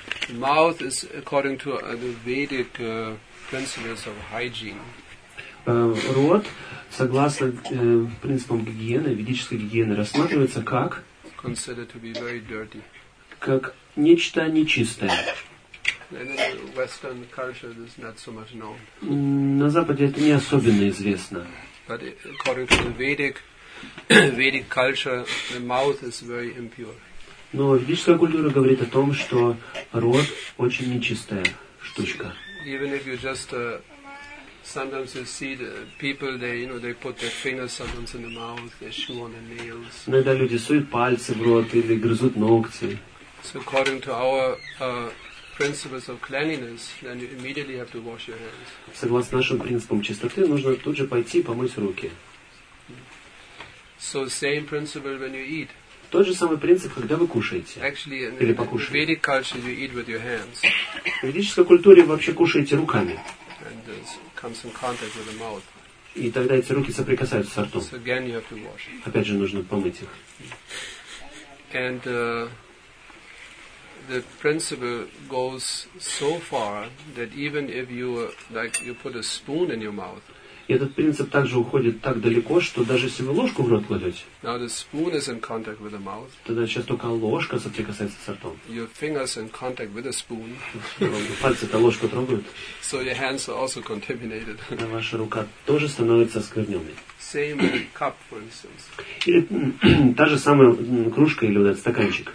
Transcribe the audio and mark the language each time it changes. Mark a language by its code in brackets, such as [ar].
[en] Mouth is, according to the Vedic principles of hygiene. [ru] Рот, согласно принципам гигиены, ведической гигиены, рассматривается как? [en] Considered to be very dirty. [ru] Как нечто нечистое. [en] And in the Western culture, this is not so much known. [ru] На Западе это не особенно известно. [en] But according to the Vedic culture, the mouth is very impure. [ru] Но ведическая культура говорит о том, что рот очень нечистая штучка. [en] Even if you just sometimes you see the people, they, you know, they put their fingers sometimes in the mouth, they chew on the nails. [ru] Иногда люди суют пальцы в рот или грызут ногти. [en] So according to our principles of cleanliness, then you immediately have to wash your hands. [ru] Согласно нашим принципам чистоты, нужно тут же пойти помыть руки. [en] So same principle when you eat. [ru] Тот же самый принцип, когда вы кушаете. [en] Actually, [ru] или покушаете. [en] In Vedic culture, you eat with your hands. [ru] В ведической культуре вообще кушаете руками. [en] And this comes in contact with the mouth. [ru] И тогда эти руки соприкасаются со ртом. [en] So again, you have to wash. [ru] Опять же, нужно помыть их. [en] And the principle goes so far that even if you like you put a spoon in your mouth. [ru] И этот принцип также уходит так далеко, что даже если вы ложку в рот кладете. [en] Now the spoon is in contact with the mouth. [ru] Тогда сейчас только ложка соприкасается с ртом. [en] Your fingers in contact with the spoon. [ru] Пальцы-то ложку трогают. [en] So your hands are also contaminated. [ru] Да, ваша рука тоже становится оскверненной. [en] Same with the cup, for instance. [ru] Или та же самая кружка или вот этот стаканчик.